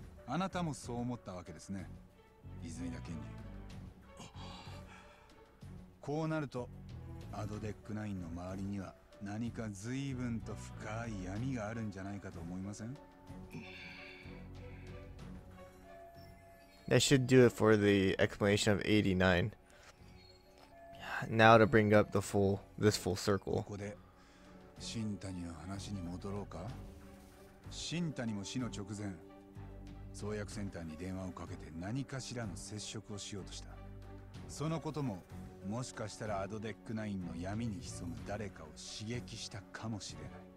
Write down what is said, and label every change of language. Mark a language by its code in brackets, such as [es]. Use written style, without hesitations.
[ja] あなたもそう思ったわけですね、泉田賢治。こうなるとアドデックナインの周りには何か随分と深い闇があるんじゃないかと思いません？ [en] That should do it for the explanation of 89. Now to bring up the full, this full circle. [ja] ここで新谷の話に戻ろうか。新谷も死の直前、創薬センターに電話をかけて何かしらの接触をしようとした。そのことももしかしたらアドデックナインの闇に潜む誰かを刺激したかもしれない。